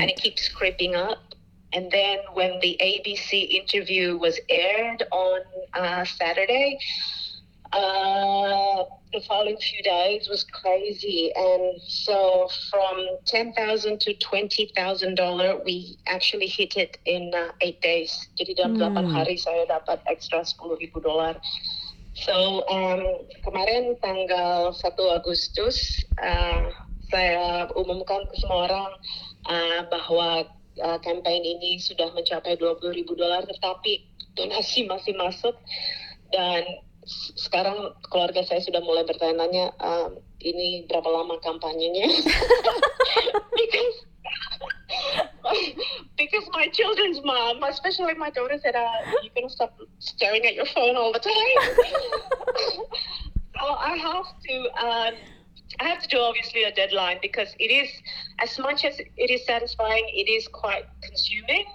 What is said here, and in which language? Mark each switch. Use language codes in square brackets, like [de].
[en] And it keeps creeping up. And then when the ABC interview was aired on Saturday, the following few days was crazy. And so from $10,000 to $20,000, we actually hit it in 8 days. [id] Jadi dalam 8 hari saya dapat extra $10,000. [en] So [id] kemarin tanggal 1 Agustus, saya umumkan ke semua orang bahwa campaign ini sudah mencapai $20,000, tetapi donasi masih masuk. Dan sekarang keluarga saya sudah mulai bertanya-tanya, ini berapa lama kampanyenya? [en] because my children's mom, especially my daughter, said, you can stop staring at your phone all the time. So I have to do obviously a deadline because it is, as much as it is satisfying, it is quite consuming.